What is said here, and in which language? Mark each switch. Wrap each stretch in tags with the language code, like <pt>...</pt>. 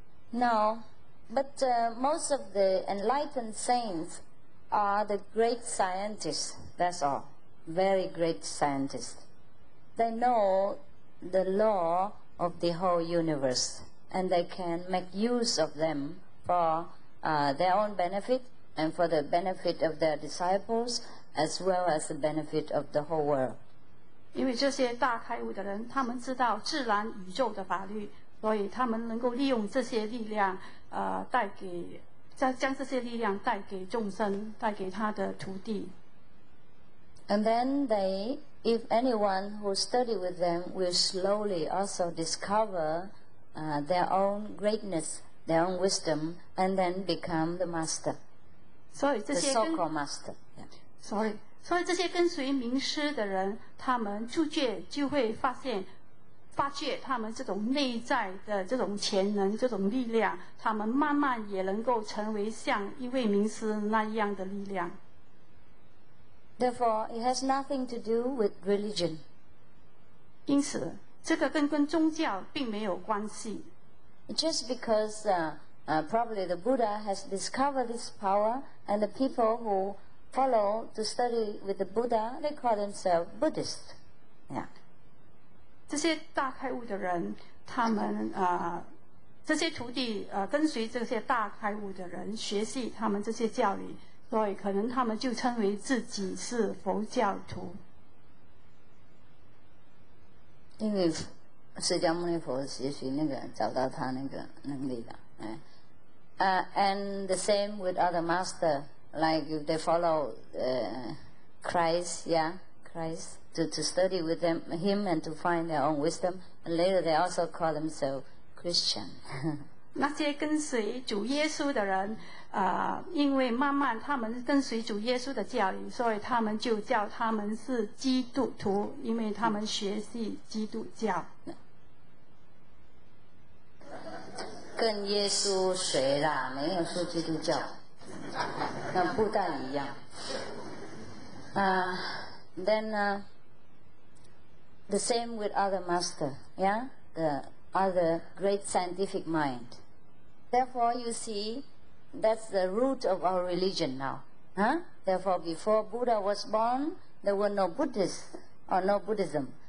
<en>Now, but most of the enlightened saintsare the great scientists, that's all, very great scientists. They know the law of the whole universe, and they can make use of them for their own benefit and for the benefit of their disciples, as well as the benefit of the whole world.</en> <zh>因为这些大开悟的人，他们知道自然宇宙的法律，所以他们能够利用这些力量，带给将这些力量带给众生，带给他的徒弟。</zh> <en>And then they, if anyone who study with them, will slowly also discover their own greatness, their own wisdom, and then become the master.</en> <zh>所以这些</zh> <en>the so-called master.</en> <zh>Sorry, 所以这些跟随名师的人，他们逐渐就会发现。发掘他们这种内在的这种潜能，这种力量，他们慢慢也能够成为像一位名师那样的力量。</zh> <en>Therefore, it has nothing to do with religion.</en> <zh>因此，这个跟宗教并没有关系。</zh> <en>Just because probably the Buddha has discovered this power, and the people who follow to study with the Buddha, they call themselves Buddhists. Yeah.</en> <zh>这些大开悟的人，他们这些徒弟跟随这些大开悟的人学习他们这些教理，所以可能他们就称为自己是佛教徒。因为释迦牟尼佛学习那个找到他那个能力的，</zh> <en>and the same with other master, like if they follow Christ, yeah, Christ. To study with them, him and to find their own wisdom. And later they also call themselves Christian.</en> <zh>那些跟随主耶稣的人，因为慢慢他们跟随主耶稣的教理，所以他们就叫他们是基督徒，因为他们学习基督教。跟耶稣学啦，没有说基督教，那不大一样。</zh> <en>Then The same with other master, yeah? The other great scientific mind. Therefore, you see, that's the root of our religion now. Huh? Therefore, before Buddha was born, there were no Buddhists or no Buddhism.</en>